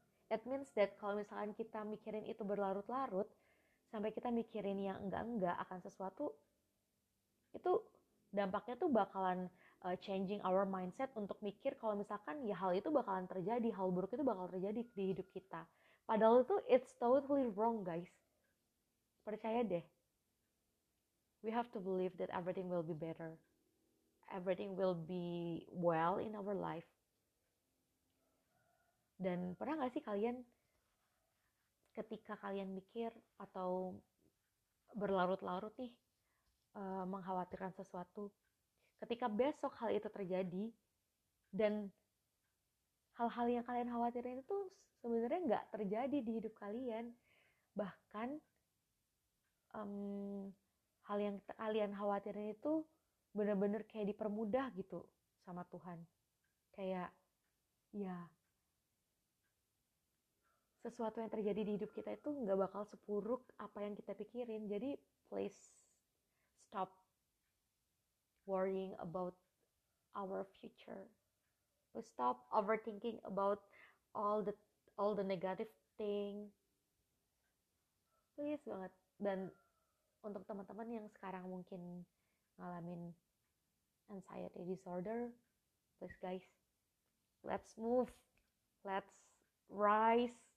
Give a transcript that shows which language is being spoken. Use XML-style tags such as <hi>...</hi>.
<en>It means that</en> <id>kalau misalkan kita mikirin itu berlarut-larut, sampai kita mikirin yang enggak-enggak akan sesuatu, itu dampaknya tuh bakalan</id> <en>changing our mindset</en> <id>untuk mikir kalau misalkan ya hal itu bakalan terjadi, hal buruk itu bakal terjadi di hidup kita. Padahal itu</id> <en>it's totally wrong, guys.</en> <id>Percaya deh.</id> <en>We have to believe that everything will be better. Everything will be well in our life.</en> <id>Dan pernah gak sih kalian ketika kalian mikir atau berlarut-larut nih mengkhawatirkan sesuatu, ketika besok hal itu terjadi dan hal-hal yang kalian khawatirin itu sebenarnya gak terjadi di hidup kalian, bahkan hal yang kalian khawatirin itu benar-benar kayak dipermudah gitu sama Tuhan. Kayak ya sesuatu yang terjadi di hidup kita itu gak bakal sepuruk apa yang kita pikirin. Jadi</id> <en>please stop worrying about our future. Stop overthinking about all the negative thing. Please</en> <id>banget. Dan untuk teman-teman yang sekarang mungkin ngalamin</id> <en>anxiety disorder, please guys, let's move, let's rise.</en>